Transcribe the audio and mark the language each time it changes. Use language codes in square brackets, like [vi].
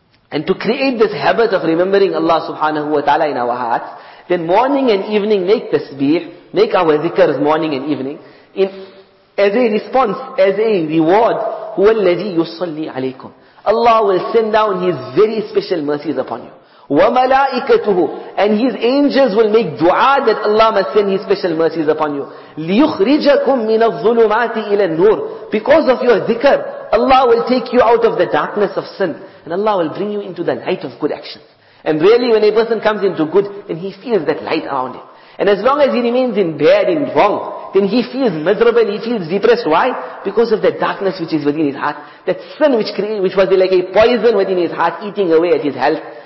[en] And to create this habit of remembering Allah subhanahu wa ta'ala in our hearts, then morning and evening make tasbih, make our dhikrs morning and evening, in as a response, as a reward, [ar] هو الذي يصلي عليكم. [en] Allah will send down His very special mercies upon you. وملائكته, and His angels will make dua that Allah must send His special mercies upon you. [ar] ليخرجكم من الظلمات إلى النور. [en] Because of your dhikr, Allah will take you out of the darkness of sin, and Allah will bring you into the light of good actions. And really, when a person comes into good, then he feels that light around him. And as long as he remains in bad, in wrong, then he feels miserable, he feels depressed. Why? Because of the darkness which is within his heart. That sin which was like a poison within his heart, eating away at his health.